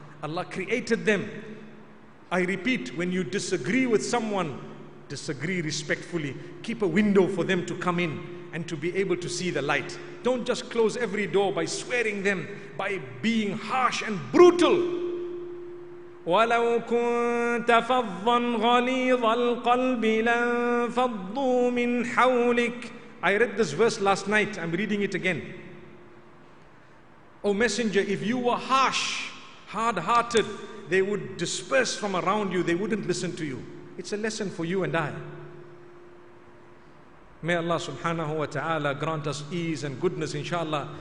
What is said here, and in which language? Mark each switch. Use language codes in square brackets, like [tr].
[en] Allah created them. I repeat, when you disagree with someone, disagree respectfully. Keep a window for them to come in and to be able to see the light. Don't just close every door by swearing them, by being harsh and brutal. [ar] وَلَوْ كُنْتَ فَظًّا غَلِيظَ الْقَلْبِ لَنْفَضُّوا مِنْ حَوْلِكَ. [en] I read this verse last night. I'm reading it again. O Messenger, if you were harsh, hard-hearted, they would disperse from around you. They wouldn't listen to you. It's a lesson for you and I. May Allah subhanahu wa ta'ala grant us ease and goodness, inshallah.